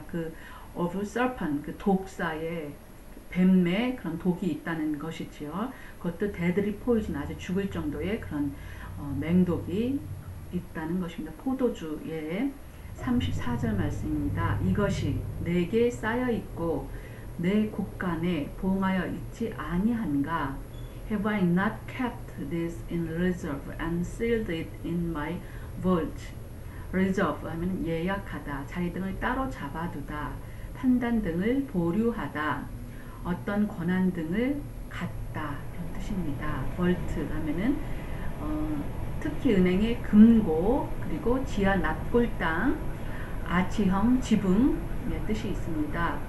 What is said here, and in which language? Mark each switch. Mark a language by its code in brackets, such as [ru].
[ko] 그 [en] of serpent, [ko] 그 독사의 뱀의 그런 독이 있다는 것이지요. 그것도 [en] deadly poison, [ko] 아주 죽을 정도의 그런 맹독이 있다는 것입니다. 포도주의 34절 말씀입니다. 이것이 내게 쌓여 있고 내 곳간에 봉하여 있지 아니한가? [en] Have I not kept this in reserve and sealed it in my vault? [ko] Reserve 하면 예약하다. 자리 등을 따로 잡아두다. 판단 등을 보류하다. 어떤 권한 등을 갖다. 이런 뜻입니다. Vault 하면은 특히 은행의 금고 그리고 지하 납골당 아치형 지붕의 뜻이 있습니다.